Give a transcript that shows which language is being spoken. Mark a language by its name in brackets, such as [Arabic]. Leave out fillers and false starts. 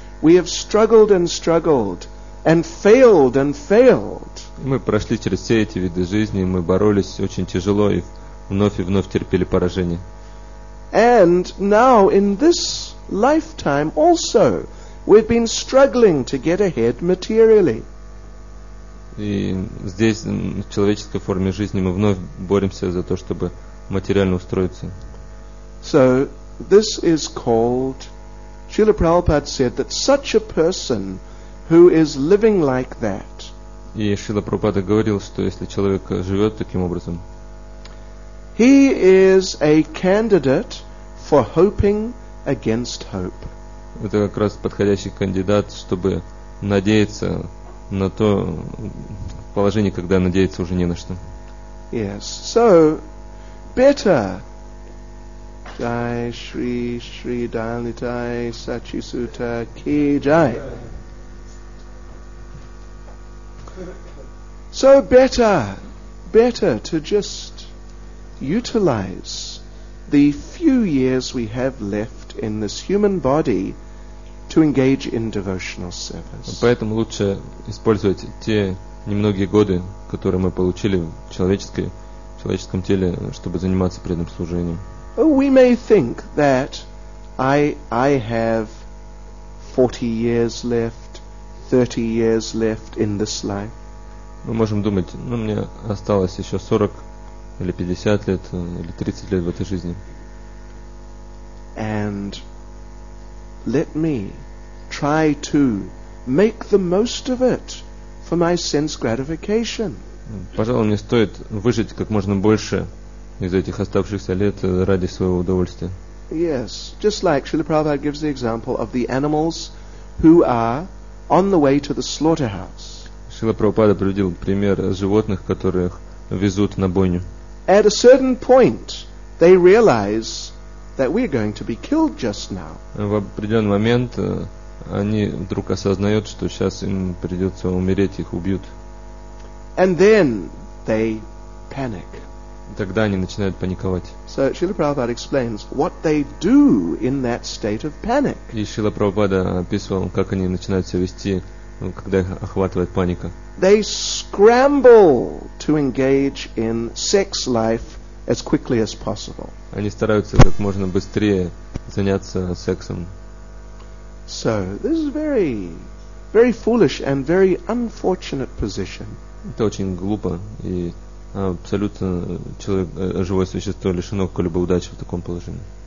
[English] We have struggled and struggled and failed and failed. [Russian] Мы прошли через все эти виды жизни, мы боролись очень тяжело и вновь терпели поражение. [English] And now in this lifetime also we've been struggling to get ahead materially. [Russian] И здесь в человеческой форме жизни мы вновь боремся за то, чтобы материально устроиться. [English] So this is called Srila Prabhupada said that such a person who is living like that. [Russian] И Шрила Прабхупада говорил, что если человек живет таким образом, [English] he is a candidate for hoping against hope. [Russian] Это как раз подходящий кандидат, чтобы надеяться на то положение, когда надеяться уже не на что. [English] Yes. So better Jai Shri Shri Dalitai Sachi Sutta Ki Jai. So better to just utilize the few years we have left in this human body to engage in devotional service. [Russian] Поэтому лучше использовать те немногие годы, которые мы получили в человеческом теле, чтобы заниматься преданным служением. [English] We may think that I have 40 years left, 30 years left in this life. [Russian] Мы можем думать, мне осталось еще 40 или 50 лет или 30 лет в этой жизни. [English] And let me try to make the most of it for my sense gratification. [Russian] Пожалуй, мне стоит выжить как можно больше из этих оставшихся лет ради своего удовольствия. [English] Yes, just like Srila Prabhupada gives the example of the animals who are on the way to the slaughterhouse. [Russian] Srila Prabhupada приводил пример животных, которых везут на бойню. [English] At a certain point, they realize that we're going to be killed just now. [Russian] В определенный момент они вдруг осознают, что сейчас им придется умереть, их убьют. [English] And then they panic. [Russian] Тогда они начинают паниковать. [English] So Srila Prabhupada explains what they do in that state of panic. [Russian] И Шрила Прабхупада описывал, как они начинают себя вести, когда их охватывает паника. [English] They scramble to engage in sex life as quickly as possible. [Russian] Они стараются как можно быстрее заняться сексом. [English] So this is very, very foolish and very unfortunate position. [Russian] Это очень глупо и абсолютно человек, живое существо лишено какой-либо удачи в таком положении.